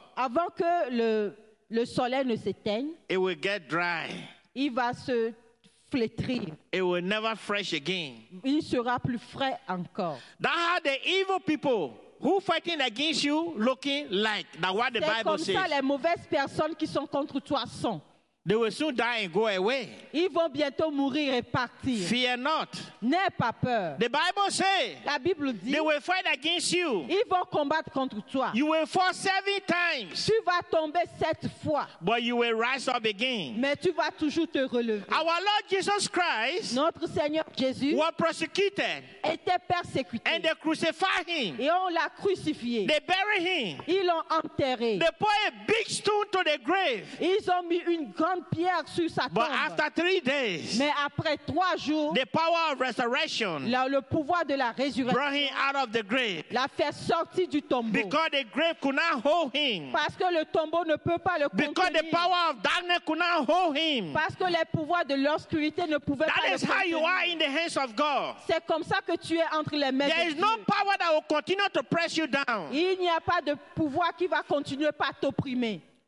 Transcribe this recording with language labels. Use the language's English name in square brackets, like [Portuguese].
[French] avant que le soleil ne s'éteigne, [English] it will get dry. [French] Il va se flétrir. [English] It will never fresh again. [French] Il sera plus frais encore. [English] That's how the evil people who fighting against you looking like that what the Bible [French] comme ça [English] says. [French] Les mauvaises personnes qui sont contre toi sont. [English] They will soon die and go away. [French] Ils vont bientôt mourir et partir. [English] Fear not. [French] N'aie pas peur. [English] The Bible says. [French] La Bible dit. [English] They will fight against you. [French] Ils vont combattre contre toi. [English] You will fall 7 times. [French] Tu vas tomber 7 fois. [English] But you will rise up again. [French] Mais tu vas toujours te relever. [English] Our Lord Jesus Christ. [French] Notre Seigneur Jésus. [English] Was persecuted. [French] Était persécuté. [English] And they crucified him. [French] Et on l'a crucifié. [English] They buried him. [French] Ils l'ont enterré. [English] They put a big stone to the grave. [French] Ils ont mis une grande pierre sur sa tombe. [English] But after 3 days, [French] mais après 3 jours, [English] the power of resurrection, [French] le pouvoir de la résurrection, [English] brought him out of the grave, [French] l'a fait sortir du tombeau, [English] because the grave could not hold him, [French] parce que le tombeau ne peut pas le contenir, [English] because the power of darkness could not hold him, [French] parce que les pouvoirs de l'obscurité ne pouvaient [English] that [French] pas le contenir. [English] That is how you are in the hands of God. [French] C'est comme ça que tu es entre les mains de Dieu. [English] There is no power that will continue to press you down. [French] Il n'y a pas de pouvoir qui va continuer pas t'opprimer.